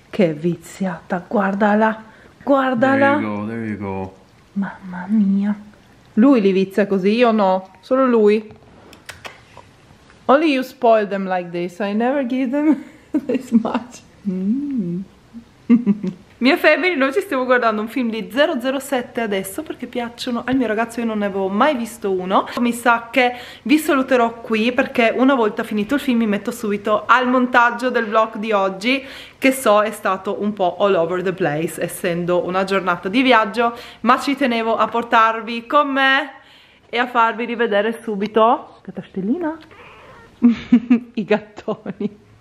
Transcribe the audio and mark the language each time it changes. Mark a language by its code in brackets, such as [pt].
[it] Che viziata, guardala, guardala. [en] There you go. [it] Mamma mia. Lui li vizia così, io no, solo lui. [en] Only you spoil them like this, I never give them this much. [it] Mia family, noi ci stiamo guardando un film di 007 adesso perché piacciono al mio ragazzo, io non ne avevo mai visto uno. Mi sa che vi saluterò qui perché una volta finito il film mi metto subito al montaggio del vlog di oggi, che so è stato un po' [en] all over the place [it] essendo una giornata di viaggio, ma ci tenevo a portarvi con me e a farvi rivedere subito Catastellina i gattoni.